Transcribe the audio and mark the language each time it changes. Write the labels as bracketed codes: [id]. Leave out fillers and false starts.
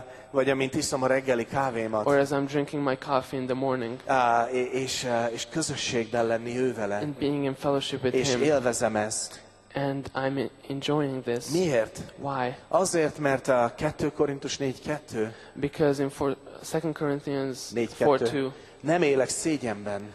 [hu] Vagy amint iszom a reggeli kávémat. [en] Or as I'm drinking my coffee in the morning. [hu] És közösségben lenni ő vele. [en] And being in fellowship with [hu] és [en] him. [hu] És élvezem ezt. [en] And I'm enjoying this. [hu] Miért? [en] Why? [hu] Azért, mert a 2 Korintus 4:2. [en] Because in 2 Corinthians 4:2. [hu] Nem élek szégyenben.